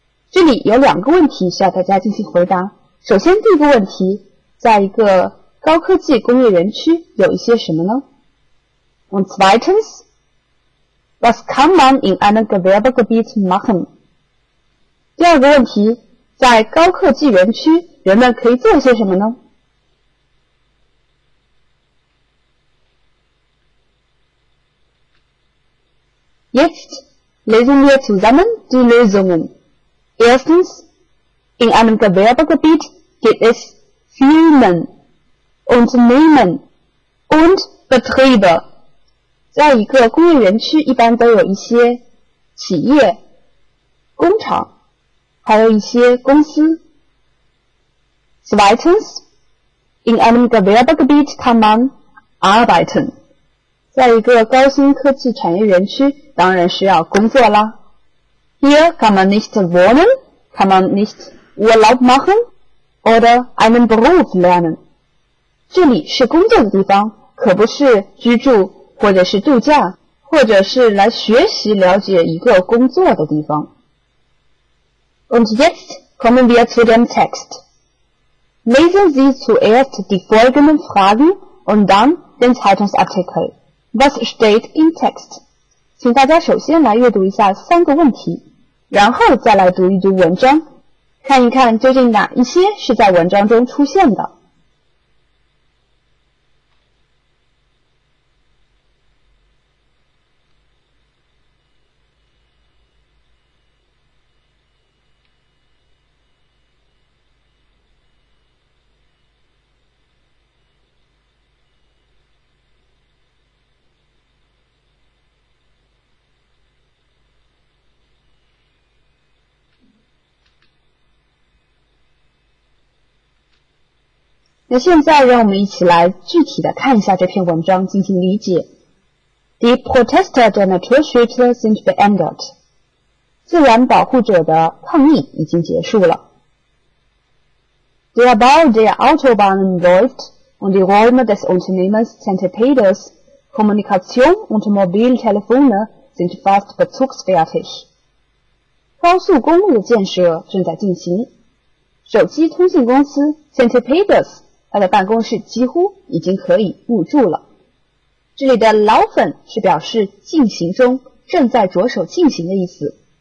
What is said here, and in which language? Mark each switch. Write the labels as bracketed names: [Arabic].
[Chinese] 这里有两个问题需要大家进行回答。首先第一个问题，在一个高科技工业园区有一些什么呢？ [German] Und zweitens, was kann man in einem Gewerbegebiet machen? [Chinese] 第二个问题，在高科技园区人们可以做些什么呢？ [German] Jetzt lesen wir zusammen die Lösungen. Erstens, in einem Gewerbegebiet gibt es Firmen, Unternehmen und Betriebe. [Chinese] 在一个工业园区一般都有一些企业、工厂，还有一些公司。 [German] Zweitens, in einem Gewerbegebiet kann man arbeiten. [Chinese] 在一个高新科技产业园区当然需要工作啦。 [German] Hier kann man nicht wohnen, kann man nicht Urlaub machen oder einen Beruf lernen. [Chinese] 这里是工作的地方，可不是居住或者是度假，或者是来学习了解一个工作的地方。 [German] Und jetzt kommen wir zu dem Text. Lesen Sie zuerst die folgenden Fragen und dann den Zeitungsartikel. Was steht im Text? [Chinese] 请大家首先来阅读一下三个问题，然后再来读一读文章，看一看究竟哪一些是在文章中出现的。那现在让我们一起来具体的看一下这篇文章进行理解。 [German] Die Protester der Naturschützer sind beendet. [Chinese] 自然保护者的抗议已经结束了。 [German] Der Bau der Autobahnen läuft und die Räume des Unternehmens Center Peters Kommunikation und Mobiltelefone sind fast bezugsfertig. [Chinese] 高速公路的建设正在进行。手机通信公司 Center Peters他的办公室几乎已经可以入住了。这里的老粉是表示进行中，正在着手进行的意思。